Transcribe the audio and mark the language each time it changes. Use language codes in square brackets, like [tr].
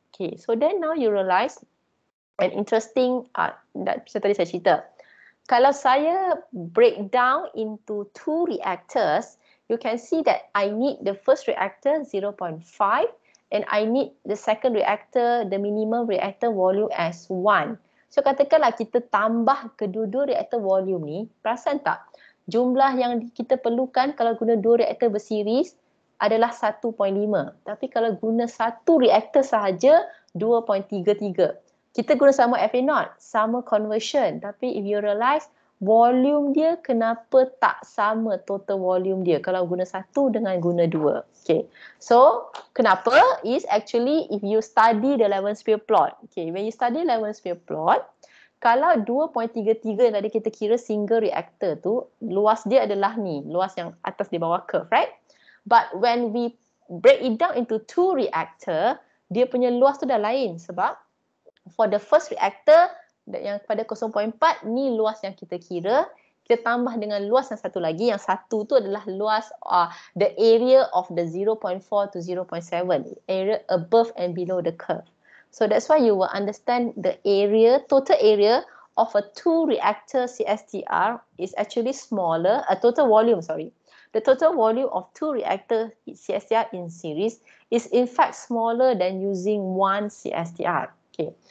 [en] Okay, so then now you realize an interesting, [ms] macam tadi saya cerita, kalau saya [en] break down into two reactors, you can see that I need the first reactor 0.5 and I need the second reactor, the minimum reactor volume as 1. [ms] So katakanlah kita tambah kedua-dua reactor volume ni, perasan tak? Jumlah yang kita perlukan kalau guna dua reactor berseries adalah 1.5. Tapi kalau guna satu reactor sahaja, 2.33. Kita guna sama FA0, sama conversion. Tapi [en] if you realize, [ms] volume dia kenapa tak sama total volume dia kalau guna satu dengan guna dua. Okay. [en] So, kenapa is actually if you study the Levin sphere plot. Okay, when you study Levin sphere plot, [ms] kalau 2.33 yang tadi kita kira single reactor tu, luas dia adalah ni, luas yang atas di bawah curve, right? [en] But when we break it down into two reactor, [ms] dia punya luas tu dah lain sebab for the first reactor yang pada 0.4 ni luas yang kita kira, kita tambah dengan luas yang satu lagi, yang satu tu adalah luas [en] the area of the 0.4 to 0.7, area above and below the curve. So that's why you will understand the area, total area of a two reactor CSTR is actually smaller, a total volume, sorry. The total volume of two reactor CSTR in series is in fact smaller than using one CSTR. Okay.